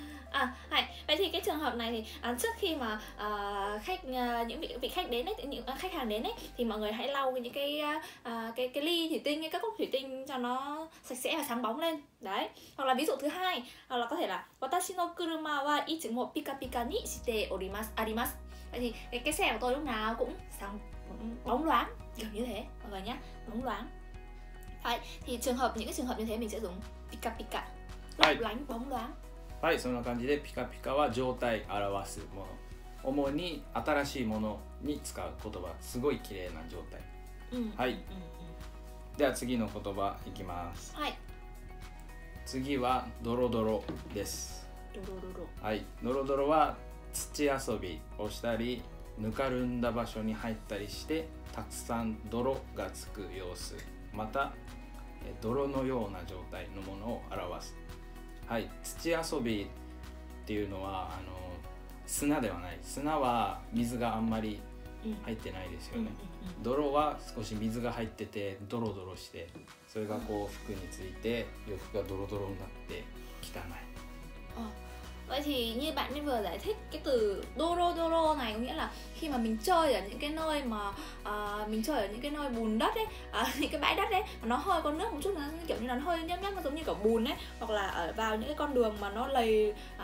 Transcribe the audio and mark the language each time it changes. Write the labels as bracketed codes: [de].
[vi] À, hay. Vậy thì cái trường hợp này thì trước khi mà khách những vị khách đến đấy, những khách hàng đến đấy thì mọi người hãy lau những cái ly thủy tinh, cái cốc thủy tinh cho nó sạch sẽ và sáng bóng lên đấy. Hoặc là ví dụ thứ hai, hoặc là có thể là [ja] watashi no kuruma wa ichi mo pika pika ni shite arimasu. [vi] Vậy thì cái xe của tôi lúc nào cũng sáng bóng loáng kiểu như thế mọi người nhé, bóng loáng. Hay thì trường hợp những cái trường hợp như thế mình sẽ dùng pika pika, lấp lánh, bóng loáng。 [ja] はい、そんな感じでピカピカは状態表すもの、主に新しいものに使う言葉、すごい綺麗な状態、はい、では次の言葉いきます。はい、次はドロドロです。ドロドロ、はい、ドロドロは土遊びをしたりぬかるんだ場所に入ったりしてたくさん泥がつく様子、また泥のような状態のものを表す。はい、土遊びっていうのはあの砂ではない、砂は水があんまり入ってないですよね、泥は少し水が入っててドロドロして、それがこう服について洋服がドロドロになって汚い。あ、私 [vi] 日本に vừa giải thích cái từ ドロドロ này có nghĩa là khi mà mình chơi ở những cái nơi mà mình chơi ở những cái nơi bùn đất ấy, những cái bãi đất ấy mà nó hơi có nước một chút, nó kiểu như là nó hơi nhấp nhấp, nó giống như kiểu bùn ấy, hoặc là ở vào những cái con đường mà nó lầy,